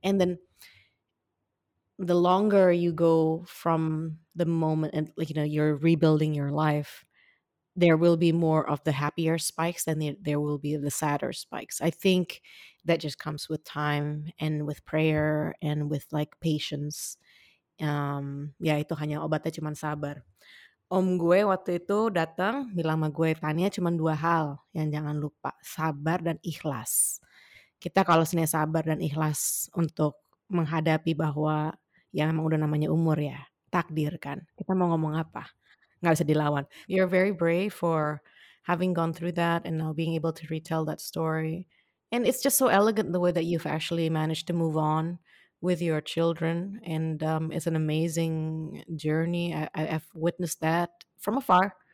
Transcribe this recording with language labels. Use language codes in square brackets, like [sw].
[en] And then the longer you go from the moment and like, you know, you're rebuilding your life, there will be more of the happier spikes than there will be the sadder spikes. I think that just comes with time and with prayer and with like patience. [id] Ya itu hanya obatnya cuma sabar. Om gue waktu itu datang bilang sama gue, Tania, cuma dua hal yang jangan lupa, sabar dan ikhlas. Kita kalau sebenarnya sabar dan ikhlas untuk menghadapi bahwa yang emang udah namanya umur ya, takdir kan. Kita mau ngomong apa? Nggak bisa dilawan. [en] You're very brave for having gone through that and now being able to retell that story. And it's just so elegant the way that you've actually managed to move on with your children. And it's an amazing journey. I've witnessed that from afar.